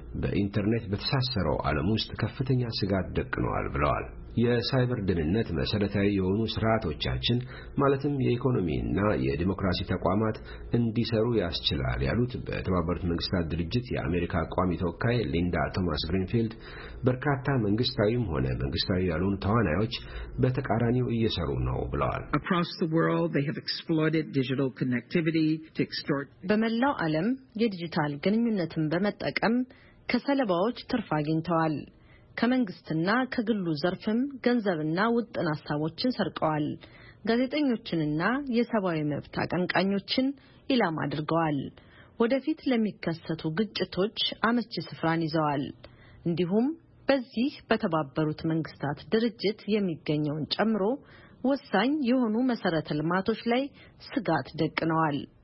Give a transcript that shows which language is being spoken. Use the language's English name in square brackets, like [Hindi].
[Amharic] በኢንተርኔት በተሳሰረው ዓለም ውስጥ ከፍተኛ ስጋት ደቅኗል ብለዋል። የሳይበር ደህንነት መሰረታዊ የሆኑ ስርዓቶቻችን ማለትም የኢኮኖሚና የዲሞክራሲ ተቋማት እንዲሰሩ ያስችላል ያሉት በተባበሩት መንግስታት ድርጅት የአሜሪካ ቋሚ ተወካይ ሊንዳ ቶማስ ግሪንፊልድ በርካታ መንግስታዊም ሆነ መንግስታዊ ያልሆኑ ተዋናዮች በተቃራኒው እየሰሩ ነው ብለዋል። [English] Across the world they have exploited digital connectivity to extort [Amharic] በመላው ዓለም የዲጂታል ግንኙነትን በመጠቀም ከሰለባዎች ትርፍ አግኝተዋል። ከመንግስትና ከግሉ ዘርፍም ገንዘብና ውጥን አስተዋጽኦችን ሰርቀዋል። ጋዜጠኞችንና የሰባዊ መብት አቀንቃኞችን ኢላማ አድርገዋል። ወደፊት ለሚከሰቱ ግጭቶች አመቺ ስፍራን ይዘዋል። እንዲሁም በዚህ በተባበሩት መንግስታት ድርጅት የሚገኘውን ጨምሮ ወሳኝ የሆኑ መሰረተ ልማቶች ላይ ስጋት ደቅነዋል።